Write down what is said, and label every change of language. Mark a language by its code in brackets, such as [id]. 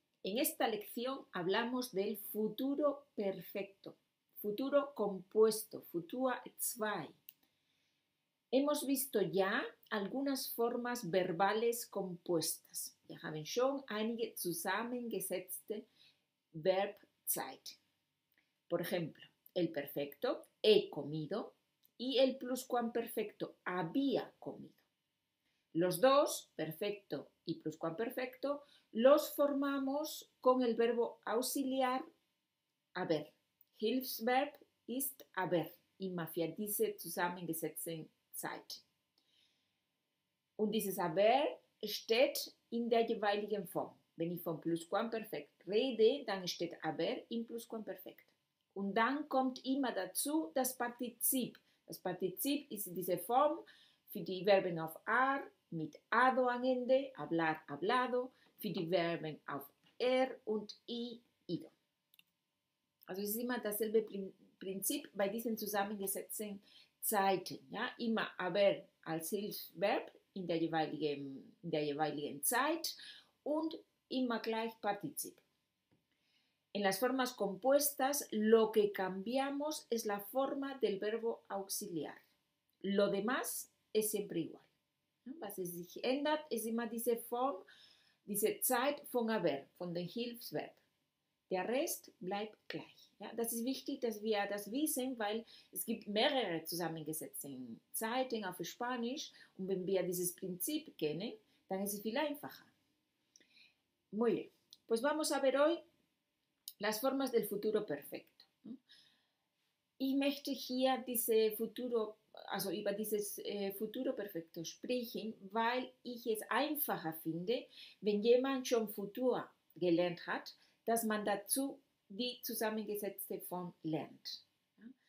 [es] En esta lección hablamos del futuro perfecto, futuro compuesto, futura zwei. Hemos visto ya algunas formas verbales compuestas. [de] Wir haben schon einige zusammengesetzte Verbzeit. [es] Por ejemplo, el perfecto, he comido, y el pluscuamperfecto, había comido. Los dos, perfecto y pluscuamperfecto, los formamos con el verbo auxiliar haber. [de] Hilfsverb ist haber. Immer für diese zusammengesetzte Zeit. Und dieses haber steht in der jeweiligen Form. Wenn ich vom pluscuamperfekt rede, dann steht haber im pluscuamperfekt. Und dann kommt immer dazu das Partizip. Das Partizip ist diese Form für die Verben auf ar, mit ado am Ende, hablar, hablado, für die Verben auf er und i, ido. Also es ist immer dasselbe Prinzip bei diesen zusammengesetzten Zeiten. Ja? Immer aber als Hilfsverb in der jeweiligen Zeit und immer gleich Partizip. [es] En las formas compuestas, lo que cambiamos es la forma del verbo auxiliar. Lo demás es siempre igual. [de] Was es sich ändert, ist immer diese Form, diese Zeit von haber, von dem Hilfsverb. Der Rest bleibt gleich. Ja, das ist wichtig, dass wir das wissen, weil es gibt mehrere zusammengesetzte Zeiten auf Spanisch. Und wenn wir dieses Prinzip kennen, dann ist es viel einfacher. [es] Muy bien. Pues vamos a ver hoy las formas del futuro perfecto. [de] Ich möchte hier diese futuro also über dieses Futuro Perfecto sprechen, weil ich es einfacher finde, wenn jemand schon Futur gelernt hat, dass man dazu die zusammengesetzte Form lernt. Ja?